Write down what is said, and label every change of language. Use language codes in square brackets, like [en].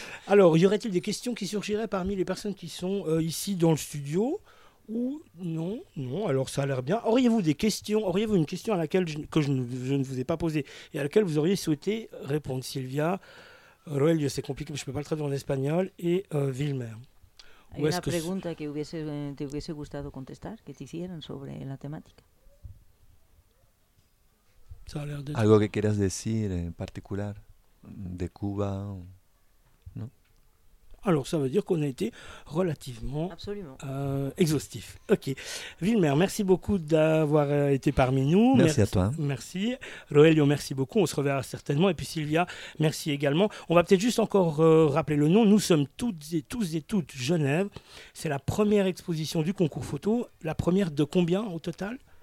[fr] Alors, y aurait-il des questions qui surgiraient parmi les personnes qui sont ici dans le studio? Ou non, non, alors ça a l'air bien. Auriez-vous des questions, auriez-vous une question à laquelle je ne vous ai pas posée et à laquelle vous auriez souhaité répondre, Sylvia, Roelio, c'est compliqué, mais je ne peux pas le traduire en espagnol, et Vilmer. Il y a une question [es] que te hubiese gustado contestar, que te hicieron sobre la temática. [fr] Ça a l'air de... [es] Algo que quieras decir en particular, de Cuba, non? [fr] Alors, ça veut dire qu'on a été relativement exhaustif. Ok. Vilmer, merci beaucoup d'avoir été parmi nous. Merci à toi. Merci. Roelio, merci beaucoup. On se reverra certainement. Et puis Sylvia, merci également. On va peut-être juste encore rappeler le nom. Nous sommes toutes et tous Genève. C'est la première exposition du concours photo. La première de combien au total ?